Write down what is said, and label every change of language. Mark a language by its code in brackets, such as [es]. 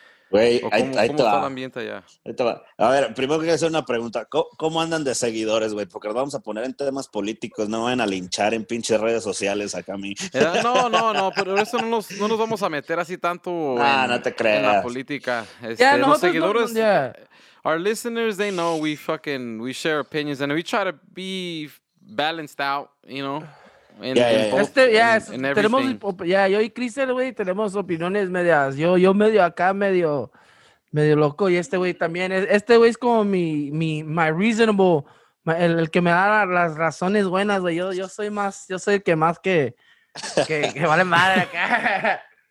[es] Güey, ¿cómo está el ambiente allá? Ahí te va. A ver, primero quiero hacer una pregunta. ¿Cómo andan de seguidores, güey? Porque nos vamos a poner en temas políticos. No van a linchar en pinches redes sociales acá a mí. No, pero eso no nos vamos a meter así tanto en la política. Los seguidores... [en] Our listeners, they know we share opinions and we try to be... balanced out, you know. [es] Yo y Cristian, güey, tenemos opiniones medias, yo medio acá, medio loco, y este güey también, este güey es como [en] my reasonable, [es] el que me da las razones buenas, güey. Yo soy el que vale madre acá.